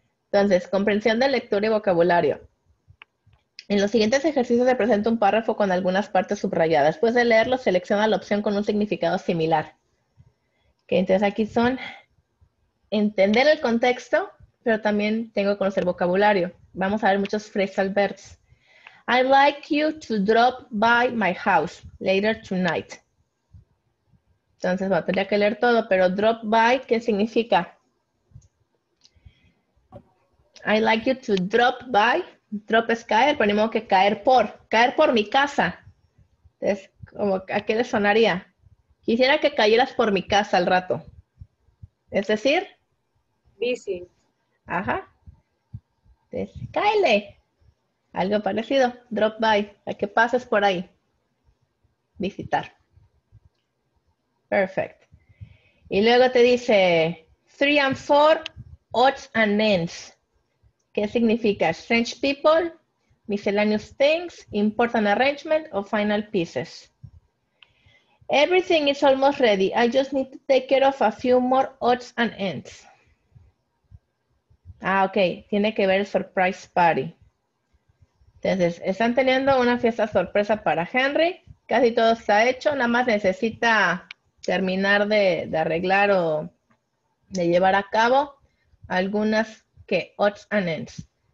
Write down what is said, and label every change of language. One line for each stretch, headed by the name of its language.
Spanish: Entonces, comprensión de lectura y vocabulario. En los siguientes ejercicios se presenta un párrafo con algunas partes subrayadas. Después de leerlo, selecciona la opción con un significado similar. Okay, entonces aquí son entender el contexto, pero también tengo que conocer vocabulario. Vamos a ver muchos phrasal verbs.
English: I'd like you to drop by my house later tonight.
Spanish: Entonces, bueno, tendría que leer todo, pero drop by, ¿qué significa?
English: I'd like you to drop by.
Spanish: drop es caer, ponemos que caer por mi casa. Entonces, como, ¿a qué le sonaría? Quisiera que cayeras por mi casa al rato. Es decir,
English: visit.
Spanish: Ajá. Entonces, cáele. Algo parecido. Drop by. A que pases por ahí. Visitar. Perfect. Y luego te dice,
English: three and four, odds and ends.
Spanish: ¿Qué significa?
English: Strange people, miscellaneous things, important arrangement, or final pieces. Everything is almost ready. I just need to take care of a few more odds and ends. Ah, ok.
Spanish: Tiene que ver el surprise party. Entonces, están teniendo una fiesta sorpresa para Henry. Casi todo está hecho. Nada más necesita terminar de arreglar o de llevar a cabo algunas que odds and ends.